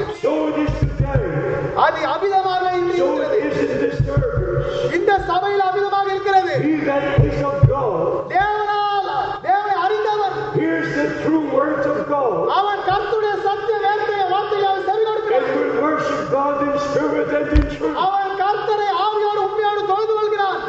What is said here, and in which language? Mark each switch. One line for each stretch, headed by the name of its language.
English: So it is today.
Tamil: அது அபிதமாக இருக்கிறது.
English: So it is in this service.
Tamil: இந்த சபையில் அபிதமாக இருக்கிறது.
English: He that is of God.
Tamil: தேவனால் தேவனை அறிந்தவன்.
English: Hears the true words of God.
Tamil: அவன் கர்த்தருடைய சத்திய வேதத்தை வார்த்தையால் செவி கொடுக்கிறான்.
English: And will worship God in spirit and in truth.
Tamil: அவன் கர்த்தரை ஆவியோடு உண்மையோடு தொழுது கொள்கிறான்.